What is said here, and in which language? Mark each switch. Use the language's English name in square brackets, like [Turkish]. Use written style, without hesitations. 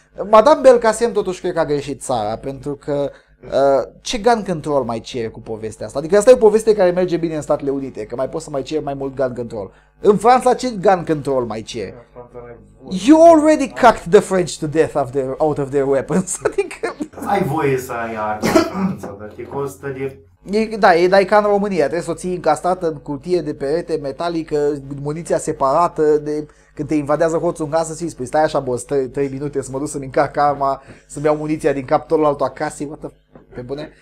[Romanian] Madame Belkacem totuși cred că a greșit țara, pentru că... ce gun control mai cere cu povestea asta? Adică asta e o poveste care merge bine în Statele Unite, că mai poți să mai cere mai mult gun control. În Franța ce gun control mai cere? [English] You already cucked the French to death out of their weapons. [Romanian] Adică... Ai voie să ai arme în Franța, dar te costă de... Da, e ca în România, trebuie să o ții încastrată în cutie de perete metalică, muniția separată de... Când te invadează hoțul în casă, să-i spui, stai așa, boss, 3 minute să mă duc să-mi încarc arma, să-mi iau muniția din cap totul altul acasă, [English] what the fuck? [Romanian] Pe bune?